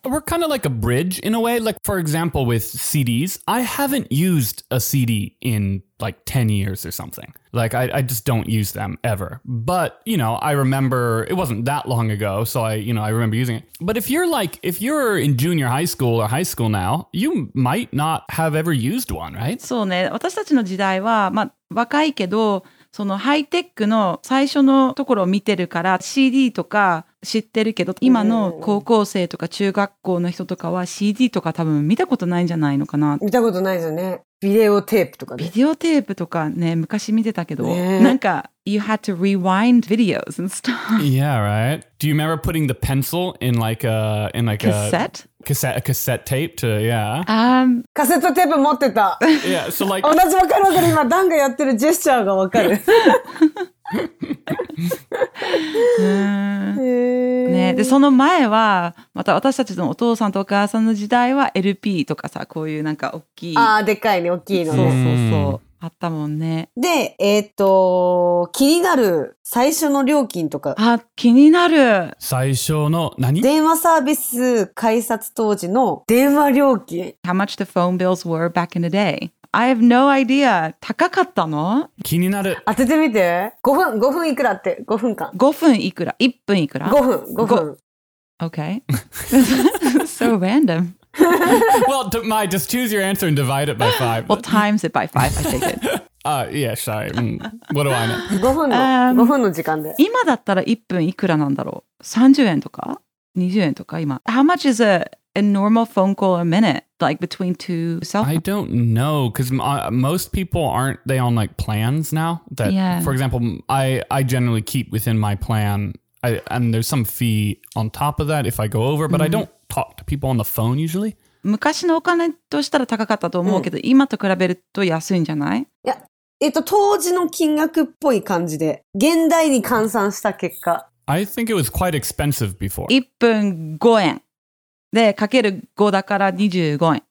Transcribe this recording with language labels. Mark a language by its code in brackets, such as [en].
[en] We're kind of like a bridge in a way. Like, for example, with CDs, I haven't used a CD in like 10 years or something. Like, I just don't use them ever. But, you know, I remember it wasn't that long ago. So I remember using it. But if you're in junior high school or high school now, you might not have ever used one, right? [ja] そうね。私たちの時代は、まあ、若いけど、そのハイテックの最初のところを見てるから CD とか知ってるけど今の高校生とか中学校の人とかは CD とか多分見たことないんじゃないのかな見たことないですよねビデオテープとかねビデオテープとかね昔見てたけど、ね、なんか [en] You had to rewind videos and stuff Yeah, right Do you remember putting the pencil in like cassette? A cassette tape to, yeah [ja] カセットテープ持ってた [en] Yeah, so like [ja] 同じわかるわかる今ダンがやってるジェスチャーがわかるね、でその前はまた私たちのお父さんとお母さんの時代は LP とかさこういうなんか大きいああでかいね大きいのそうそうそうあったもんねで気になる最初の料金とかあ気になる最初の何電話サービス改札当時の電話料金 [en] How much the phone bills were back in the dayI have no idea. [ja] 高かったの？気になる。当ててみて。5分いくらって、5分間。 5分いくら ?1 分いくら ?5 分、5分。 [en] Okay. So random. Well, Mai, just choose your answer and divide it by 5. Well, times it by 5, I take it. Yeah, sorry. What do I know? [ja] 5分の、5分の時間で。今だったら1分いくらなんだろう ?30 円とか ?20 円とか今。 [en] How much is a normal phone call a minute? Like between two cell phones? I don't know, because most people aren't they on like plans now? That, yeah. For example, I generally keep within my plan, and there's some fee on top of that if I go over, but I don't talk to people on the phone usually. [ja] 昔のお金としたら高かったと思うけど、今と比べると安いんじゃない？いや、当時の金額っぽい感じで、現代に換算した結果。 [en] I think it was quite expensive before. [ja] 1分5円。で、かける5だから25円。